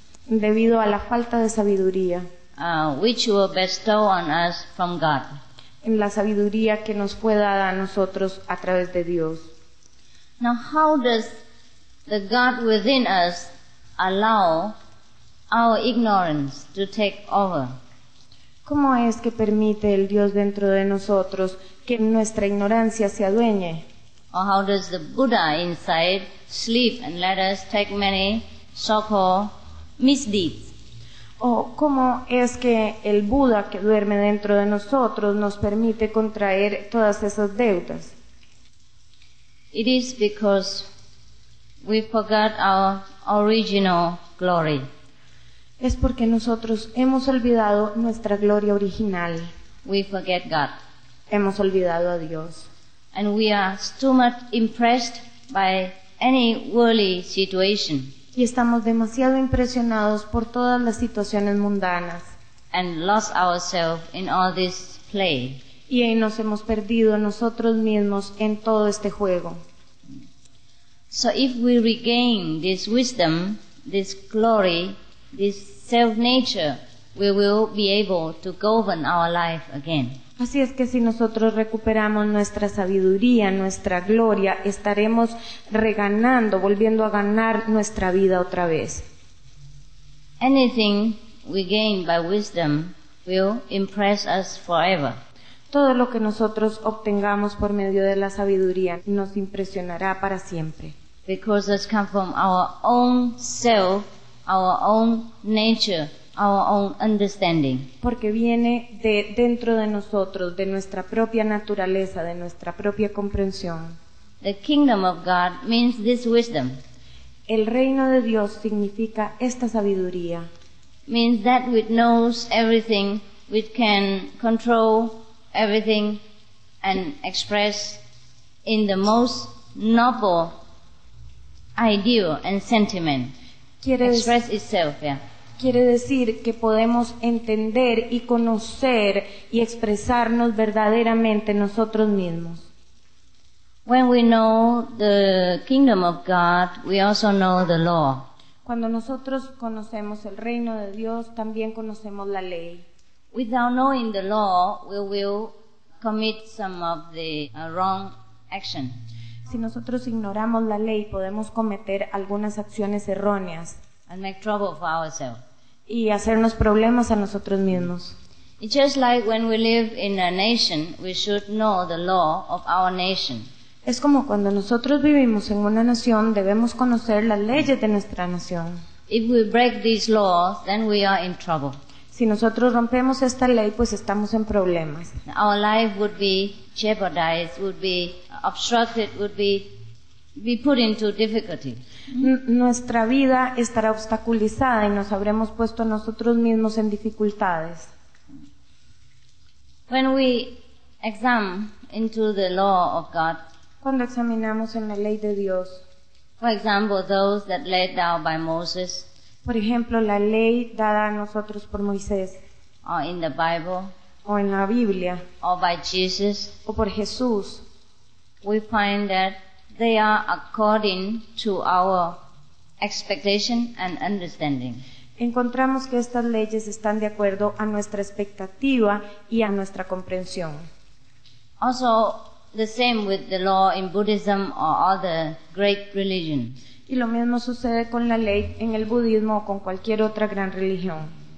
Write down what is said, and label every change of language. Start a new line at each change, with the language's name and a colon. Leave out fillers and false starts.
Spanish: Debido a la falta de sabiduría.
English: which will bestow on us from God.
Spanish: En la sabiduría que nos fue dada a nosotros a través de Dios.
English: Now, how does the God within us allow our ignorance to take over?
Spanish: ¿Cómo es que permite el Dios dentro de nosotros que nuestra ignorancia se adueñe?
English: Or how does the Buddha inside sleep and let us take many so-called misdeeds?
Spanish: ¿O cómo es que el Buda que duerme dentro de nosotros nos permite contraer todas esas deudas?
English: It is because we forgot our original glory.
Spanish: Es porque nosotros hemos olvidado nuestra gloria original.
English: We forget God.
Spanish: Hemos olvidado a Dios.
English: And we are too much impressed by any worldly situation.
Spanish: Y estamos demasiado impresionados por todas las situaciones mundanas.
English: And lost ourselves in all this play.
Spanish: Y nos hemos perdido nosotros mismos en todo este juego.
English: So if we regain this wisdom, this glory, this self-nature, we will be able to govern our life again.
Spanish: Así es que si nosotros recuperamos nuestra sabiduría, nuestra gloria, estaremos reganando, volviendo a ganar nuestra vida otra vez.
English: Anything we gain by wisdom will impress us forever.
Spanish: Todo lo que nosotros obtengamos por medio de la sabiduría nos impresionará para siempre.
English: Because it comes from our own self, our own nature, our own understanding.
Spanish: Porque viene de dentro de nosotros, de nuestra propia naturaleza, de nuestra propia comprensión.
English: The kingdom of God means this wisdom.
Spanish: El reino de Dios significa esta sabiduría.
English: Means that which knows everything, which can control everything and express in the most noble ideal and sentiment. Express itself, yeah.
Spanish: Quiere decir que podemos entender y conocer y expresarnos verdaderamente nosotros mismos.
English: When we know the kingdom of God, we also know the law.
Spanish: Cuando nosotros conocemos el reino de Dios, también conocemos la ley.
English: Without knowing the law, we will commit some of the wrong action.
Spanish: Si nosotros ignoramos la ley, podemos cometer algunas acciones erróneas.
English: And make trouble for ourselves.
Spanish: Y hacernos problemas a nosotros mismos.
English: It's just like when we live in a nation, we should know the law of our nation.
Spanish: Es como cuando nosotros vivimos en una nación, debemos conocer las leyes de nuestra nación.
English: If we break these laws, then we are in trouble.
Spanish: Si nosotros rompemos esta ley, pues estamos en problemas.
English: Our life would be jeopardized, would be obstructed, would be put into difficulty.
Spanish: Nuestra vida estará obstaculizada y nos habremos puesto nosotros mismos en dificultades.
English: When we examine into the law of God,
Spanish: cuando examinamos en la ley de Dios,
English: for example, those that laid down by Moses,
Spanish: por ejemplo, la ley dada a nosotros por Moisés,
English: or in the Bible,
Spanish: o en la Biblia,
English: or by Jesus,
Spanish: o por Jesús,
English: we find that they are according to our expectation and understanding.
Spanish: Encontramos que estas leyes están de acuerdo a nuestra expectativa y a nuestra comprensión.
English: Also, the same with the law in Buddhism or other great religion.
Spanish: Y lo mismo sucede con la ley en el budismo o con cualquier otra gran religión.